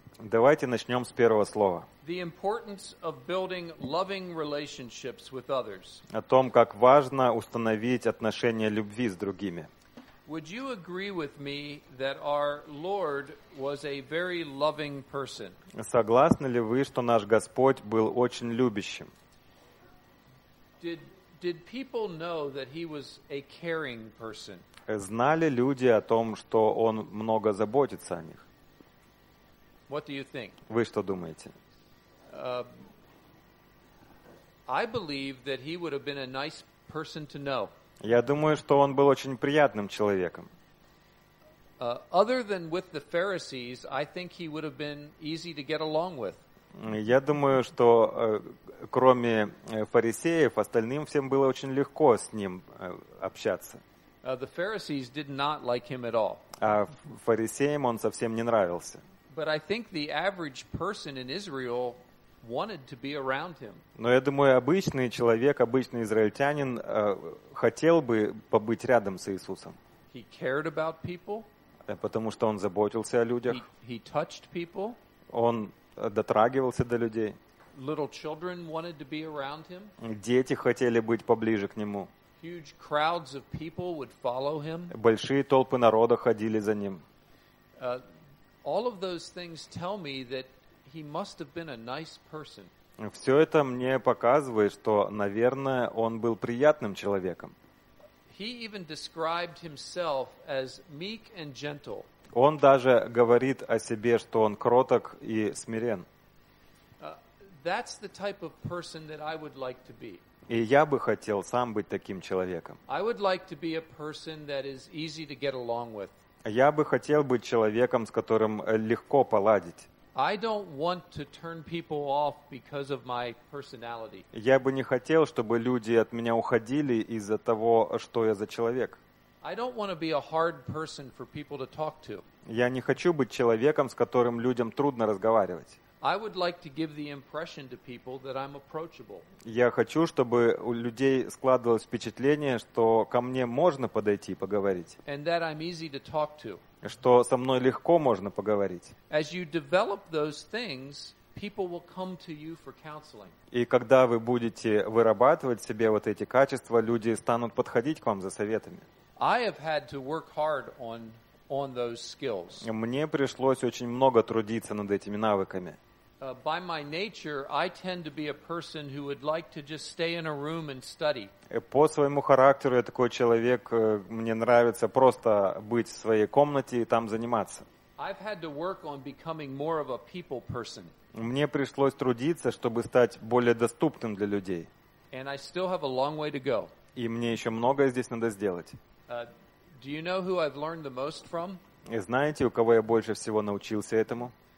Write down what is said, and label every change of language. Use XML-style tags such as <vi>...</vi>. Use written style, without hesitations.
<ru>Давайте начнем с первого слова.</ru> <en>The importance of building loving relationships with others.</en> <ru>О том, как важно установить отношения любви с другими.</ru> <en>Would you agree with me that our Lord was a very loving person?</en> <ru>Согласны ли вы, что наш Господь был очень любящим?</ru> <en>Did people know that he was a caring person?</en> <ru>Знали люди о том, что он много заботится о них?</ru> <en>What do you think?</en> <ru>Вы что думаете?</ru> <en>I believe that he would have been a nice person to know.</en> <ru>Я думаю, что он был очень приятным человеком.</ru> <en>Other than with the Pharisees, I think he would have been easy to get along with.</en> <ru>Я думаю, что кроме фарисеев, остальным всем было очень легко с ним общаться.</ru> <en>The Pharisees did not like him at all.</en> <ru>А фарисеям он совсем не нравился.</ru> <en>But I think the average person in Israel wanted to be around him.</en> <ru>Но я думаю, обычный человек, обычный израильтянин хотел бы побыть рядом с Иисусом.</ru> <en>He cared about people.</en> <ru>Потому что он заботился о людях.</ru> <en>He touched people.</en> <ru>Он дотрагивался до людей.</ru> <en>Little children wanted to be around him.</en> <ru>Дети хотели быть поближе к нему.</ru> <en>Huge crowds of people would follow him.</en> <ru>Большие толпы народа ходили за ним.</ru> <en>All of those things tell me that he must have been a nice person.</en> <ru>Все это мне показывает, что, наверное, он был приятным человеком.</ru> <en>He even described himself as meek and gentle.</en> <ru>Он даже говорит о себе, что он кроток и смирен.</ru> <en>That's the type of person that I would like to be.</en> <ru>И я бы хотел сам быть таким человеком.</ru> <en>I would like to be a person that is easy to get along with.</en> <ru>Я бы хотел быть человеком, с которым легко поладить.</ru> <en>I don't want to turn people off because of my personality.</en> <ru>Я бы не хотел, чтобы люди от меня уходили из-за того, что я за человек.</ru> <en>I don't want to be a hard person for people to talk to.</en> <ru>Я не хочу быть человеком, с которым людям трудно разговаривать.</ru> <en>I would like to give the impression to people that I'm approachable.</en> <ru>Я хочу, чтобы у людей складывалось впечатление, что ко мне можно подойти и поговорить.</ru> <en>And that I'm easy to talk to.</en> <ru>Что со мной легко можно поговорить.</ru> <en>As you develop those things, people will come to you for counseling.</en> <ru>И когда вы будете вырабатывать в себе вот эти качества, люди станут подходить к вам за советами.</ru> <en>I have had to work hard on those skills.</en> <ru>Мне пришлось очень много трудиться над этими навыками.</ru> <en>By my nature, I tend to be a person who would like to just stay in a room and study.</en> <ru>По своему характеру я такой человек, мне нравится просто быть в своей комнате и там заниматься.</ru> <en>I've had to work on becoming more of a people person.</en> <ru>Мне пришлось трудиться, чтобы стать более доступным для людей.</ru> <en>And I still have a long way to go.</en> <ru>И мне ещё многое здесь надо сделать.</ru> <en>Do you know who I've learned the most from?</en> <ru>Знаете, у кого я больше всего научился этому?</ru>